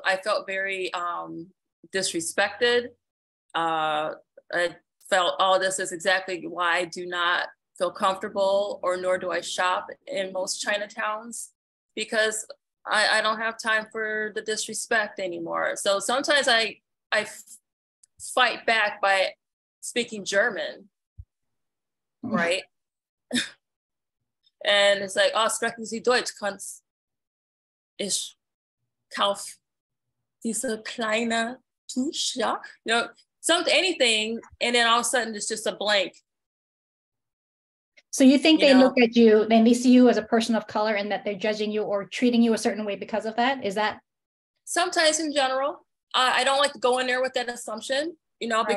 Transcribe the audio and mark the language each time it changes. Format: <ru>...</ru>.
<en>I felt very disrespected. I felt this is exactly why I do not feel comfortable, or nor do I shop in most Chinatowns, because I don't have time for the disrespect anymore. So sometimes I fight back by speaking German, right? And it's like, oh,</en> <de>sprechen Sie Deutsch, kannst ich kauf diese kleine Tusch, ja?</de> <en>You know, something, anything, and then all of a sudden it's just a blank. So you think look at you, then they see you as a person of color and that they're judging you or treating you a certain way because of that? Is that? Sometimes in general, I don't like to go in there with that assumption, you know, right.</en>